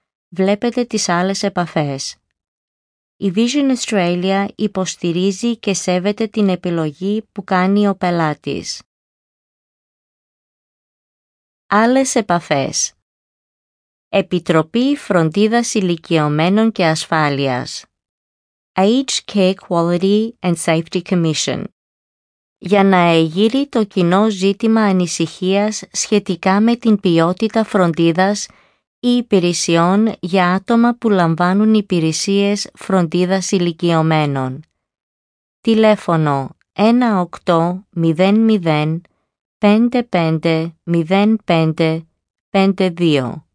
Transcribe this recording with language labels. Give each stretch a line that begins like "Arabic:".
Greek: Βλέπετε τις άλλες επαφές. Η Vision Australia υποστηρίζει και σέβεται την επιλογή που κάνει ο πελάτης. Άλλες επαφές. Επιτροπή Φροντίδας Ηλικιωμένων και Ασφάλειας.
English: Aged Care Quality and Safety Commission.
Greek: Για να εγείρει το κοινό ζήτημα ανησυχίας σχετικά με την ποιότητα φροντίδας ή υπηρεσιών για άτομα που λαμβάνουν υπηρεσίες φροντίδας ηλικιωμένων. Τηλέφωνο 1800 55 05 52.